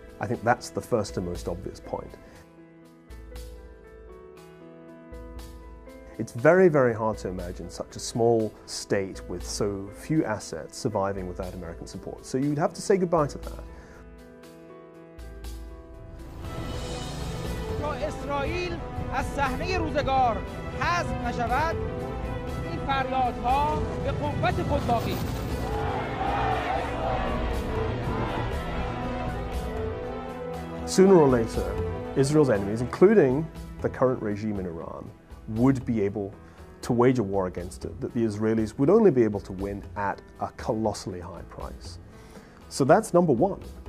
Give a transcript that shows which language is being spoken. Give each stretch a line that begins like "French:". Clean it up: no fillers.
English: I think that's the first and most obvious point. It's very, very hard to imagine such a small state with so few assets surviving without American support. So you'd have to say goodbye to that.
Persian: اسرائیل از صحنه روزگار حذف نشود این فریادها به قوت خود باقی است.
English: Sooner or later, Israel's enemies, including the current regime in Iran, would be able to wage a war against it that the Israelis would only be able to win at a colossally high price. So that's number one.